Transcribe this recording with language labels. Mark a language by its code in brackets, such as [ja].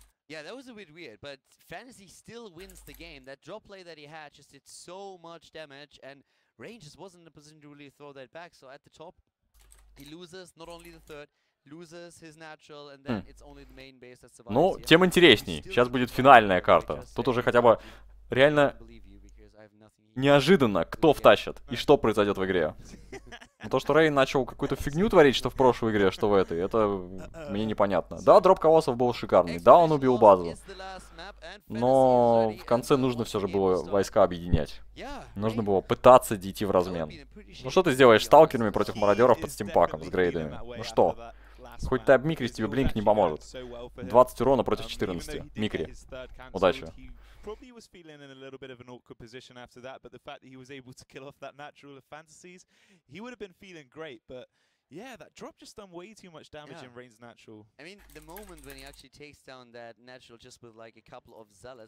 [en] Yeah, that was a bit weird, but Fantasy still wins the game. That drop play that he had just did so much damage, and Rain just wasn't in a position to really throw that back. So at the top, he loses not only the third, loses his natural, and then it's only the main base that survives. [ru] Ну, тем интересней. Сейчас будет финальная карта. Тут уже хотя бы реально неожиданно, кто втащит и что произойдет в игре. Но то, что Рейн начал какую-то фигню творить, что в прошлой игре, что в этой, это мне непонятно. Да, дроп колоссов был шикарный, да, он убил базу. Но в конце нужно все же было войска объединять. Нужно было пытаться идти в размен. Ну что ты сделаешь с сталкерами против мародеров под стимпаком, с грейдами? Ну что? Хоть ты обмикрись, тебе блинк не поможет. 20 урона против 14. Микри. Удачи. [en] Probably was feeling in a little bit of an awkward position after that, but the fact that he was able to kill off that natural of fantasies, he would have been feeling great, but yeah, that drop just done way too much damage in Rain's natural. I mean, the moment when he actually takes down that natural just with like a couple of zealots.